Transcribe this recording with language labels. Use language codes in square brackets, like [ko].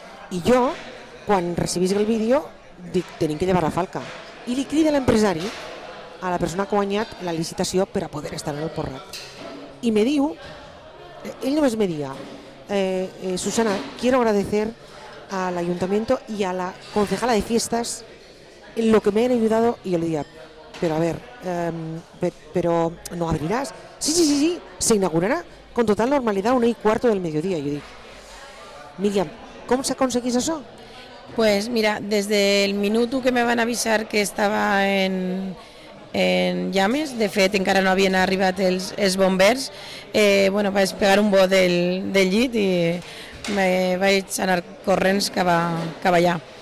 [ca] I jo, quan recibís el vídeo, dic, tenim que llevar la falca. I li crida l'empresari a la persona que ha guanyat la licitació per a poder estar en el Porrat. I me diu, ell només me diga, [es] Susana, quiero agradecer al ayuntamiento y a la concejala de fiestas lo que me han ayudado. Y yo le diga, pero a ver, pero no abrirás. Sí, se inaugurará con total normalidad 1:15 del mediodía. Y yo digo, Miriam, ¿cómo se conseguís eso? Pues mira, desde el minuto que me van a avisar que estaba en llames, [ca] de fet encara no havien arribat els bombers, bueno, vaig pegar un bo del llit i me vaig anar corrents cap allà.